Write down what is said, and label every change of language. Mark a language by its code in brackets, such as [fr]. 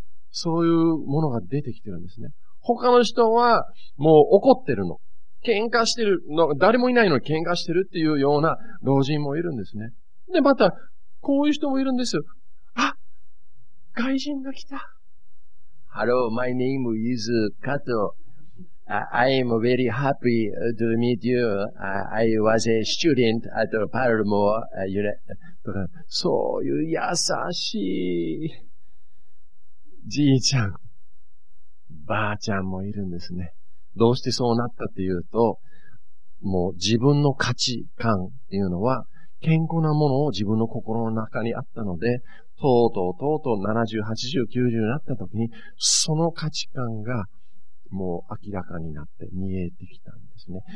[ja] そういうものが出てきてるんですね。他の人は、もう怒ってるの。喧嘩してるの。誰もいないのに喧嘩してるっていうような老人もいるんですね。で、また、こういう人もいるんですよ。あ、外人が来た。 [en] Hello, my name is Kato. I am very happy to meet you. I was a student at Palermo, you know. [ja] そういう優しいじいちゃん、ばあちゃんもいるんですね。どうしてそうなったっていうと、もう自分の価値観っていうのは、健康なものを自分の心の中にあったので、とうとう70、80、90になった時に、その価値観が、もう明らかになって見えてきたんですね。